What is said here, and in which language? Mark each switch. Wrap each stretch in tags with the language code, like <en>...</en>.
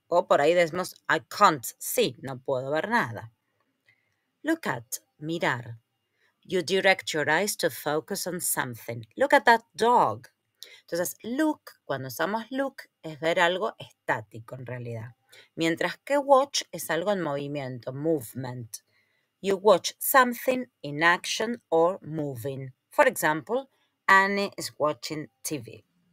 <es>O por ahí decimos,</es> <en>I can't see,</en> <es>no puedo ver nada.</es> <en>Look at, mirar. You direct your eyes to focus on something. Look at that dog.</en> <es>Entonces, look, cuando usamos look, es ver algo estático en realidad. Mientras que watch es algo en movimiento, movement.</es> <en>You watch something in action or moving. For example, Annie is watching TV.</en>